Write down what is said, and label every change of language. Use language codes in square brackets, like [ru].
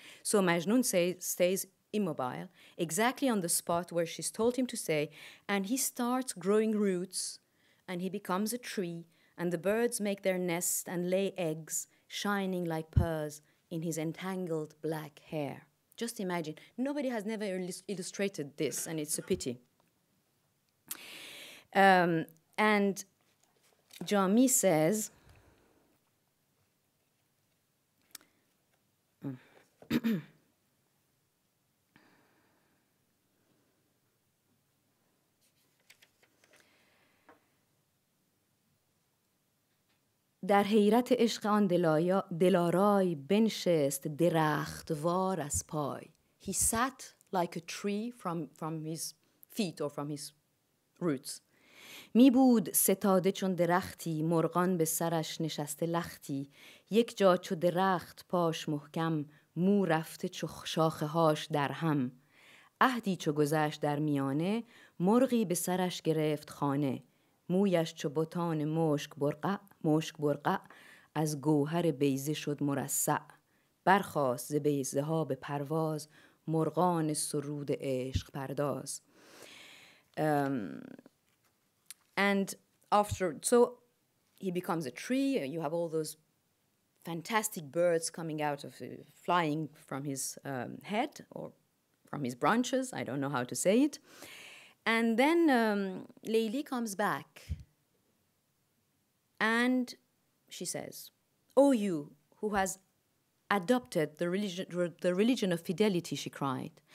[en] So Majnun stays immobile, exactly on the spot where she's told him to stay, and he starts growing roots, and he becomes a tree, and the birds make their nests and lay eggs, shining like pearls, in his entangled black hair. Just imagine, nobody has never illustrated this, and it's a pity. And Jami says, [fa] در حیرت عشق آن دلارای بنشست درخت وار از پای. [en] He sat like a tree from his feet or from his roots. [fa] می بود ستاده چون درختی مرغان به سرش نشسته لختی یک جا چو درخت پاش محکم مو رفته چو شاخه هاش در هم عهدی چو گذشت در میانه مرغی به سرش گرفت خانه مویش چو بوتان مشک برقع از گوهر بیزه شد مرصع برخواست ز بیزه ها به پرواز مرغان سرود عشق پرداز. [en] And after, so he becomes a tree, you have all those fantastic birds coming out of flying from his head or from his branches. I don't know how to say it. And then Leili comes back and she says, "Oh, you who has adopted the religion of fidelity," she cried.